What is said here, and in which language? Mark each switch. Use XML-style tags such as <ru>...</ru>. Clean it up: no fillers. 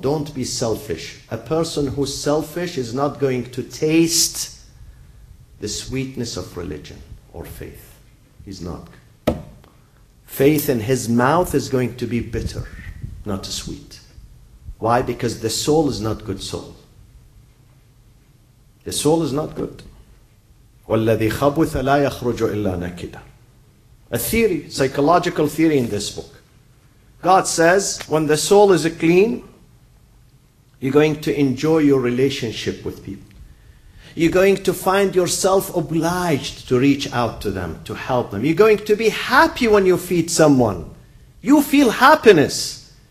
<en>Don't be selfish. A person who's selfish is not going to taste the sweetness of religion or faith. He's not. Faith in his mouth is going to be bitter, not sweet. Why? Because the soul is not good soul. The soul is not good.</en> <ar>وَالَّذِي خَبُثَ لَا يَخْرُجُ إِلَّا نَكِدًا.</ar> <en>a theory, psychological theory in this book. God says, when the soul is clean, you're going to enjoy your relationship with people. You're going to find yourself obliged to reach out to them, to help them. You're going to be happy when you feed someone. You feel happiness.</en>